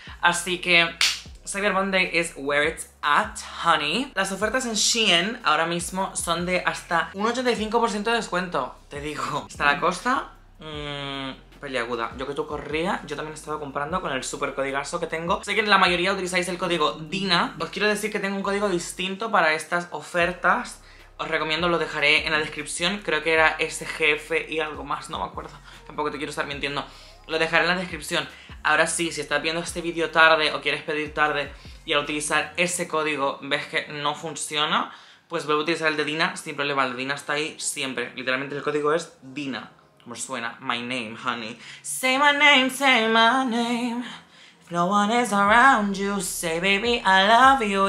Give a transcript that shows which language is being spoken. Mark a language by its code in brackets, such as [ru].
[es] Así que [en] Cyber Monday is where it's at, honey. [es] Las ofertas en Shein ahora mismo son de hasta un 85% de descuento, te digo. Está la cosa peliaguda. Yo que tú corría, yo también estaba comprando con el super codigazo que tengo. Sé que la mayoría utilizáis el código DINA. Os quiero decir que tengo un código distinto para estas ofertas. Os recomiendo, lo dejaré en la descripción. Creo que era SGF y algo más, no me acuerdo. Tampoco te quiero estar mintiendo. Lo dejaré en la descripción. Ahora sí, si estás viendo este vídeo tarde o quieres pedir tarde y al utilizar ese código ves que no funciona, pues vuelvo a utilizar el de Dina sin problema. El de Dina está ahí siempre. Literalmente el código es Dina. Como suena. [en] My name, honey. Say my name. If no one is around you, say baby I love you.